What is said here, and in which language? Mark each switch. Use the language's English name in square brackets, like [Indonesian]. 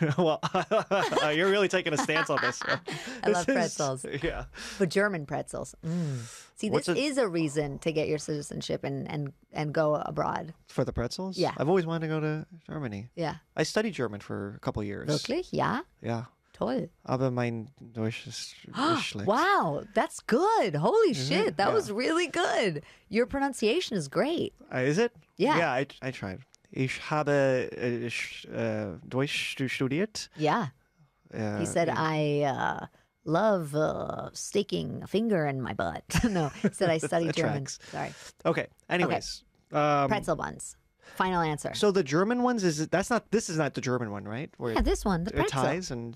[English] Well, you're really taking a stance on this. I love pretzels. Yeah. But German pretzels. Mm. See, is a reason to get your citizenship and go abroad. For the pretzels? Yeah. I've always wanted to go to Germany. Yeah. I studied German for a couple of years. [German] Wirklich? [English] Yeah? Yeah. [German] Toll. Aber mein deutsches Schlitz. [English] Wow, that's good. Holy shit, that was really good. Your pronunciation is great. Is it? Yeah. Yeah, I tried. [German] Ich habe Deutsch studiert. [English] Yeah. He said, I love sticking a finger in my butt. No, he said I studied German. Tracks. Sorry. Okay, anyways. Okay. Pretzel buns. Final answer. So the German ones this is not the German one, right? Where yeah, this one. The it pretzel. Ties and